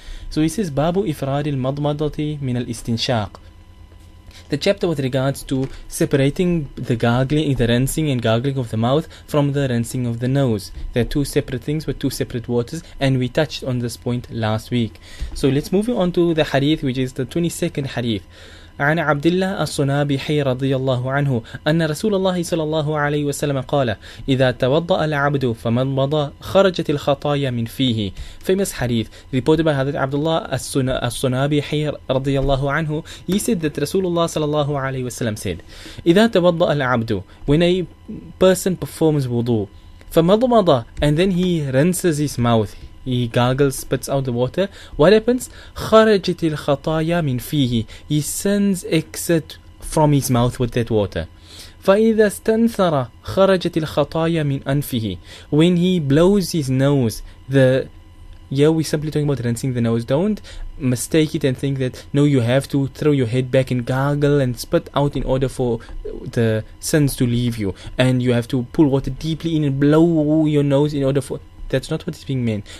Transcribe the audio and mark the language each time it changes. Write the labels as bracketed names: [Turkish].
[English] So he says, [Arabic] Babu ifradil madmadati min al istinshaq. [English] The chapter with regards to separating the gargling, the rinsing and gargling of the mouth from the rinsing of the nose. They're two separate things with two separate waters, and we touched on this point last week. So let's move on to the hadith, which is the 22nd hadith. [Arabic] عن عبد الله الصنابحي رضي الله عنه أن رسول الله صلى الله عليه وسلم قال إذا توضأ العبد فمضمض خرجت الخطايا من فيه. [English] Famous hadith reported by Hazrat Abdullah الصنابحي [Arabic] رضي الله عنه. [English] He said that [Arabic] رسول الله صلى الله عليه وسلم [English] said, [Arabic] إذا توضأ العبد, [English] when a person performs wudu, [Arabic] فمضمض, [English] and then he rinses his mouth, he gargles, spits out the water, what happens? [Arabic] خرجت الخطايا من فيه. [English] He sins exit from his mouth with that water. [Arabic] فإذا استنثر خرجت الخطايا من أنفه. [English] When he blows his nose, we're simply talking about rinsing the nose. Don't mistake it and think that, no, you have to throw your head back and gargle and spit out in order for the sins to leave you. And you have to pull water deeply in and blow your nose in order for... That's not what it's being meant.